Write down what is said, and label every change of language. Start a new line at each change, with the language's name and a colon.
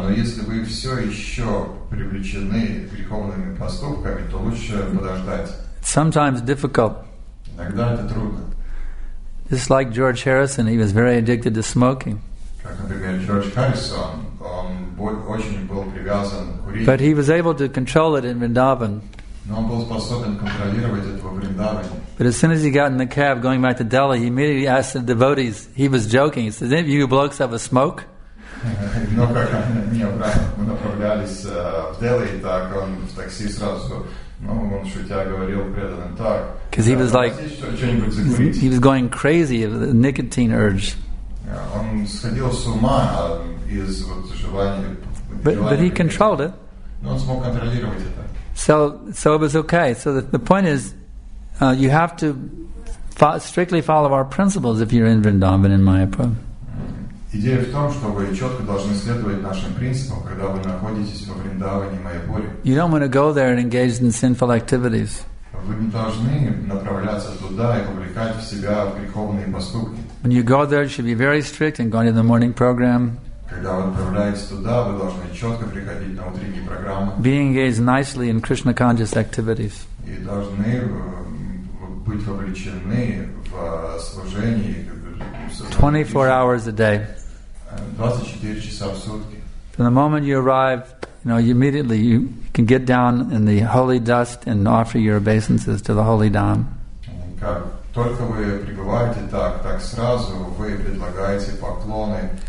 Russian: Но если вы все еще привлечены греховными поступками, то лучше подождать.
English: Sometimes difficult.
Russian: Иногда это трудно.
English: Just like George Harrison, he was very addicted to smoking.
Russian: Как, например, Джордж Харрисон, он очень был привязан к курению.
English: But he was able to control it in Vrindavan.
Russian: Но он был способен контролировать это во Вриндаване.
English: But as soon as he got in the cab going back to Delhi, he immediately asked the devotees, he was joking, he says, any of you blokes have a smoke?
Russian: Но как они направлялись в Дели, так он в такси сразу, ну, он шутя говорил преданным так.
English: Because he was like, he was going crazy of the nicotine urge.
Russian: Он сходил с ума из вот желания.
English: But he controlled it.
Russian: Но он смог контролировать это.
English: So it was okay. So the point is, you have to strictly follow our principles if you're in Vrindavan and Mayapur.
Russian: Идея в том, что вы четко должны следовать нашим принципам, когда вы находитесь во Вриндаване и Майяпуре.
English: You don't want to go there and engage in sinful activities.
Russian: Вы не должны направляться туда и вовлекать в себя в греховные поступки.
English: When you go there, you should be very strict and go to the morning program.
Russian: Когда вы отправляетесь туда, вы должны четко приходить на утренние программы.
English: Be engaged nicely in Krishna conscious activities.
Russian: И должны быть вовлечены в служение.
English: 24 hours a day.
Russian: 24 часа в сутки.
English: From the moment you arrive, you know, immediately you can get down in the holy dust and offer your obeisances to the holy Dham.
Russian: Как только вы прибываете, так сразу вы предлагаете поклоны.